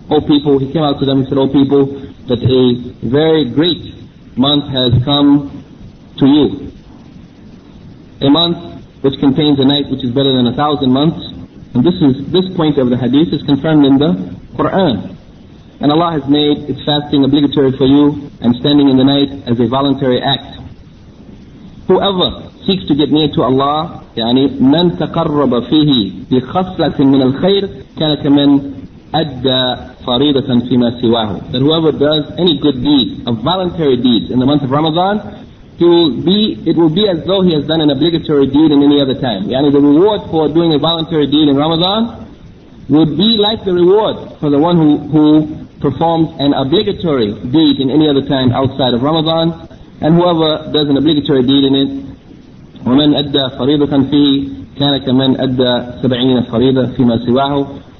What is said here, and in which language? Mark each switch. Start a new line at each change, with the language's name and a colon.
English: O people, he came out to them and said, "O people, that a very great month has come to you. A month which contains a night which is better than 1,000 months." And this point of the hadith is confirmed in the Quran. "And Allah has made its fasting obligatory for you and standing in the night as a voluntary act. Whoever seeks to get near to Allah,
Arabic: يعني من تقرب فيه بخصلة من الخير كان كمن أدى فريضة فيما سواه."
English: That whoever does any good deed, a voluntary deed in the month of Ramadan, it will be as though he has done an obligatory deed in any other time. Yani the reward for doing a voluntary deed in Ramadan would be like the reward for the one who performs an obligatory deed in any other time outside of Ramadan. And whoever does an obligatory deed in it,
Arabic: وَمَنْ أَدَّى فَرِيضَةً فِيهِ كَانَ كَمَنْ أَدَّى سَبْعِينَ فَرِيضَةً فِيمَا سِوَاهُ.